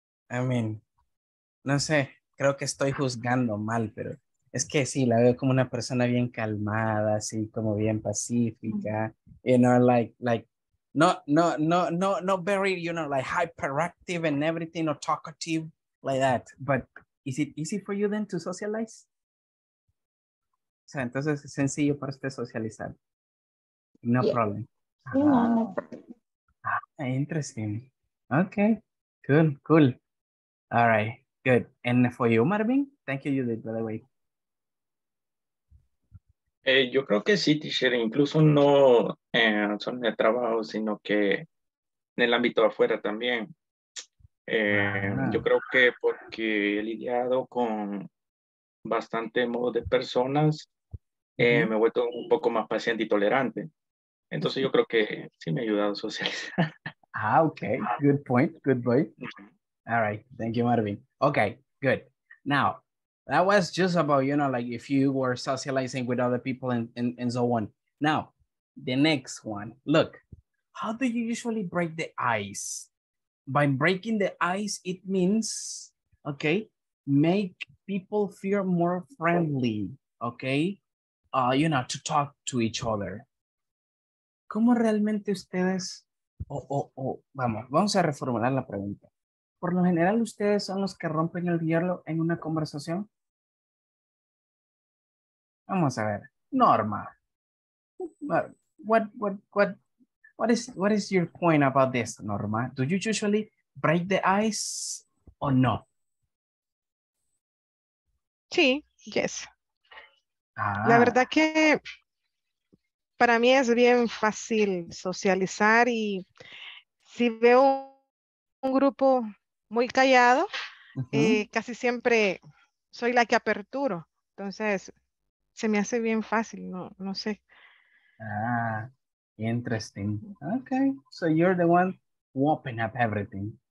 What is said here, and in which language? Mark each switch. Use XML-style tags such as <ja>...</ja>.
<en>I mean,</en> <es>no sé, creo que estoy juzgando mal, pero es que sí, la veo como una persona bien calmada, así como bien pacífica,</es> <en>you know, like, not very, you know, like hyperactive and everything, or talkative, like that. But is it easy for you then to socialize?</en> <es>O sea, entonces es sencillo para usted socializar.</es> <en>No yeah. problem. Ah, interesting. Okay, cool. All right, good. And for you, Marvin, thank you, Judith, by the way.</en> <es>Yo creo que sí, teacher, incluso no solo en el trabajo, sino que en el ámbito afuera también. Yo creo que porque he lidiado con bastante modo de personas, me he vuelto un poco más paciente y tolerante. Entonces yo creo que sí me ha ayudado a socializar.</es> <en>Ah, okay. Good point. Good point. All right. Thank you, Marvin. Okay, good. Now, that was just about, you know, like if you were socializing with other people and so on. Now, the next one. Look, how do you usually break the ice? By breaking the ice, it means, okay, make people feel more friendly, okay? You know, to talk to each other.</en> <es>¿Cómo realmente ustedes, vamos a reformular la pregunta. ¿Por lo general ustedes son los que rompen el hielo en una conversación? Vamos a ver,</es> <en>Norma. What is your point about this, Norma? Do you usually break the ice or no?</en> <es>Sí, yes. La verdad que para mí es bien fácil socializar y si veo un grupo muy callado, uh-huh. Casi siempre soy la que aperturo. Entonces, se me hace bien fácil, no sé.</es> <en>Ah, interesting. Okay, so you're the one whopping up everything.</en>